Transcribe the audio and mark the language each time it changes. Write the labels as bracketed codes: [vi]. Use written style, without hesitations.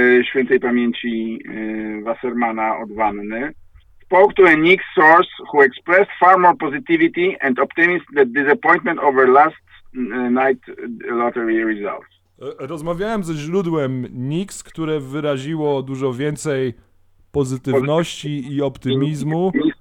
[pl] Świętej pamięci Wassermana od Wanny. [en] Spoke to a Nick source who expressed far more positivity and optimism than disappointment over last night lottery results. [pl] Rozmawiałem ze źródłem Nix, które wyraziło dużo więcej pozytywności i optymizmu